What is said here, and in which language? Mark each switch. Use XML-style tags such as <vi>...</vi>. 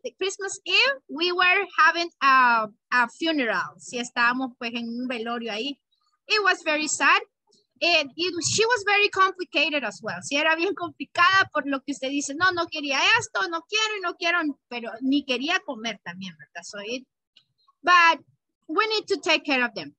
<en>The Christmas Eve, we were having a funeral.</en> <es>Si estábamos pues en un velorio ahí,</es> <en>it was very sad. And she was very complicated as well.</en> <es>Si era bien complicada por lo que usted dice, no, no quería esto, no quiero y no quiero, pero ni quería comer también, ¿verdad?</es> <en>So it, but we need to take care of them.</en>